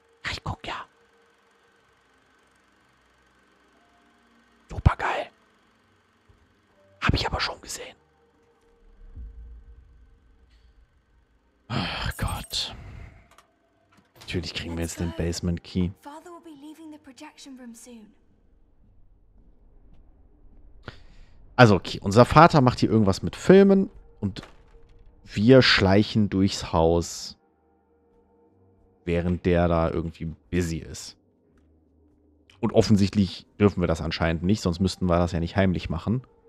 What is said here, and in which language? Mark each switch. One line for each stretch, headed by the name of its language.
German: Ich guck ja. Super geil. Hab ich aber schon gesehen. Ach Gott. Natürlich kriegen wir jetzt den Basement Key.
English: Father will be leaving the projection room soon.
German: Also okay, unser Vater macht hier irgendwas mit Filmen und Wir schleichen durchs Haus, während der da irgendwie busy ist. Und offensichtlich dürfen wir das anscheinend nicht, sonst müssten wir das ja nicht heimlich machen.